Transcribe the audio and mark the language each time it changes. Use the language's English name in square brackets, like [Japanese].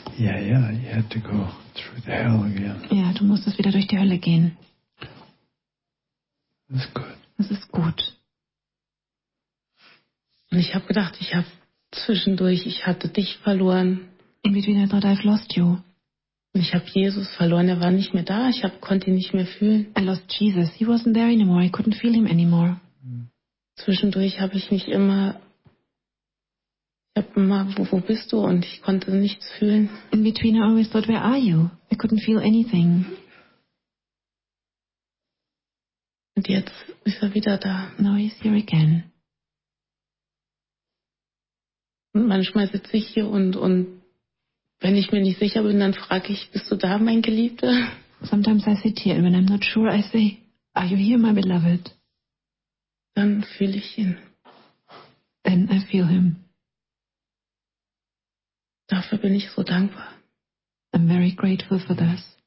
[English] Yeah, you had to go through the hell again. [German] Ja, du musstest wieder durch die Hölle gehen. [English] That's good. [German] Das ist gut. Und ich habe gedacht, ich habe zwischendurch, ich hatte dich verloren. [English] In between I thought I've lost you. [German] Und ich habe Jesus verloren, er war nicht mehr da, ich konnte ihn nicht mehr fühlen. [English] I lost Jesus, he wasn't there anymore, I couldn't feel him anymore. [German] Zwischendurch habe ich mich immer, ich habe immer, wo bist du? Und ich konnte nichts fühlen. [English] In between I always thought, where are you? I couldn't feel anything. [German] Und jetzt ist er wieder da. [English] Now he's here again. [German] Und manchmal sitze ich hier und wenn ich mir nicht sicher bin, dann frage ich, bist du da, mein Geliebter? [English] Sometimes I sit here and when I'm not sure, I say, are you here, my beloved? [German] Dann fühle ich ihn. [English] Then I feel him. [German] Dafür bin ich so dankbar. [English] I'm very grateful for this.